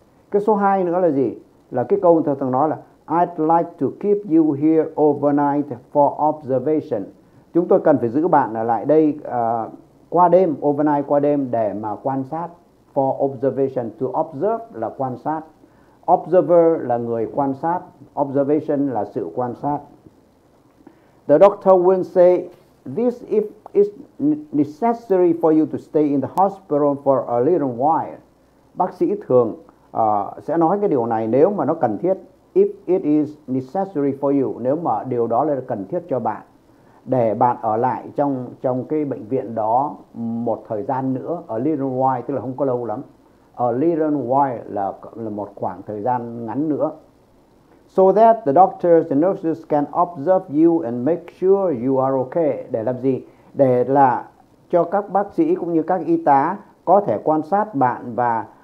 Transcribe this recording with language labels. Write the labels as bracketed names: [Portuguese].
[Vietnamese] Cái số 2 nữa là gì? Là cái câu thường thường nói là [English] I'd like to keep you here overnight for observation. [Vietnamese] Chúng tôi cần phải giữ bạn ở lại đây qua đêm, overnight qua đêm để mà quan sát. [English] For observation, to observe [Vietnamese] là quan sát. Observer là người quan sát. Observation là sự quan sát. [English] The doctor will say this if it's necessary for you to stay in the hospital for a little while. [Vietnamese] Bác sĩ thường sẽ nói cái điều này nếu mà nó cần thiết. [English] If it is necessary for you, [Vietnamese] nếu mà điều đó là cần thiết cho bạn, để bạn ở lại trong cái bệnh viện đó một thời gian nữa, [English] a little while [Vietnamese] tức là không có lâu lắm, a little while là một khoảng thời gian ngắn nữa. [English] So that the doctors and nurses can observe you and make sure you are okay. [Vietnamese] Để làm gì? Để là cho các bác sĩ cũng như các y tá có thể quan sát bạn và